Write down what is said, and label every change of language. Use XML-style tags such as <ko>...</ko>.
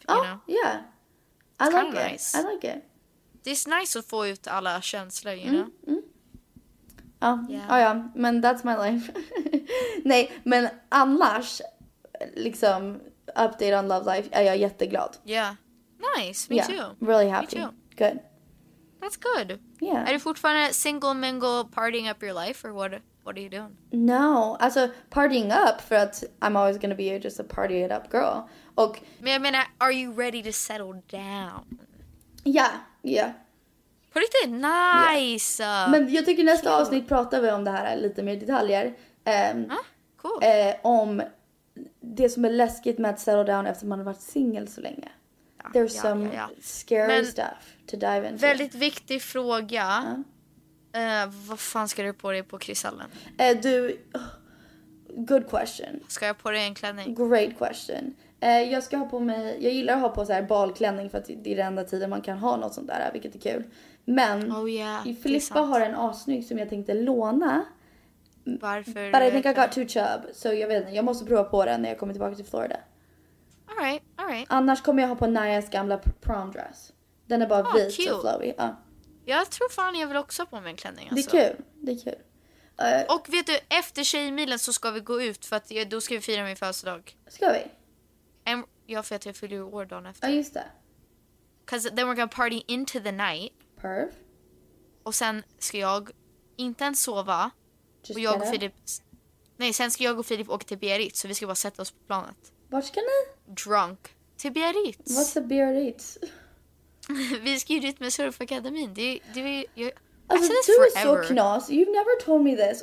<en>Ja, yeah. I like it. Nice. I like it. It's nice</en> <sv>att få ut alla känslor, you</sv> <en>know? Ja, men that's my life.</en> <sv>Nej, men annars, liksom,</sv> <en>update on love life,</en> <sv>är jag jätteglad.</sv> <en>Ja. Yeah. Nice, me too. Really happy. Me too. Good. That's good. Yeah. Are you</en> <sv>fortfarande</sv> <en>single mingle partying up your life or what are you doing? No.</en> <sv>Alltså</sv> <en>partying up</en> <sv>för att</sv> <en>I'm always going to be just a party it up girl. Och</en> <sv>men jag menar,</sv> <en>are you ready to settle down? Yeah.</en> <sv>På riktigt, nice. Yeah. Men jag tycker nästa avsnitt pratar vi om det här lite mer detaljer.</sv> <en>Cool.</en> <sv>Om det som är läskigt med att settle down efter man har varit single så länge.</sv> <en>There's some scary men stuff to dive into.</en> <sv>Väldigt viktig fråga. Ja. Vad fan ska du på dig på Kristallen?</sv> <en>Good question.</en> <sv>Ska jag på dig en klänning?</sv> <en>Great question.</en> <sv>Jag ska ha på mig, jag gillar att ha på så här balklänning för att det är den enda tiden man kan ha något sånt där, vilket är kul. Men Filippa har en asnygg som jag tänkte låna. Varför?</sv> <en>But I think I got too chub,</en> <sv>so jag vet inte. Jag måste prova på den när jag kommer tillbaka till Florida.</sv> <en>All right.</en> <sv>Annars kommer jag ha på Nayas gamla prom dress. Den är bara vit och flowy. Jag tror fan jag vill också ha på mig en klänning. Det är kul. Det är kul. Och vet du, efter tjejmilen så ska vi gå ut för att då ska vi fira min födelsedag. Ska vi? För att jag fyller år dagen efter. Ja, just det.</sv> <en>Because then we're gonna party into the night. Perf.</en> <sv>Och sen ska jag inte ens sova. Just och jag och Filip... Nej, sen ska jag och Filip åka till Berit så vi ska bara sätta oss på planet. Vart ska ni? Drunk. Till Biarritz.</sv> <en>What's a Biarritz?</en> <sv>Vi ska ju dit med surfakademin. Du är så knas.</sv> <en>You've never told me this.</en>